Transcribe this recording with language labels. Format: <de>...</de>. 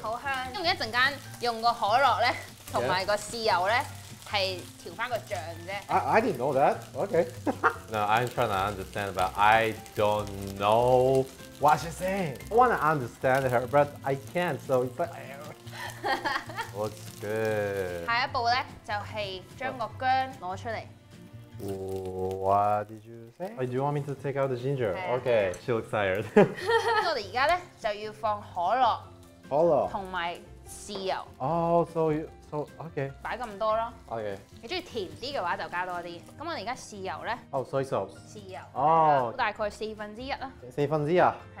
<yue>好香。因为一阵间用个可乐咧，同埋个豉油咧，</yue> <en>I didn't know that. Okay. No, I'm trying to understand, but I don't know what she's saying. I want to understand her, but I can't, so it's like. Looks good.</en> <yue>下一步呢，就是将个姜攞出嚟。</yue> <en>What did you say? Oh, do you want me to take out the ginger? Yeah. Okay, she looks tired.</en> <yue>我哋而家咧就要放可乐，同埋豉油。</yue> <en>Oh, so okay.</en> <yue>摆咁多咯。Okay. 你中意甜啲嘅话就加多啲。咁我哋而家豉油咧。</yue> <en>Oh, soy sauce.</en> <yue>豉油。哦。大概四分之一啦。四分之一啊。</yue>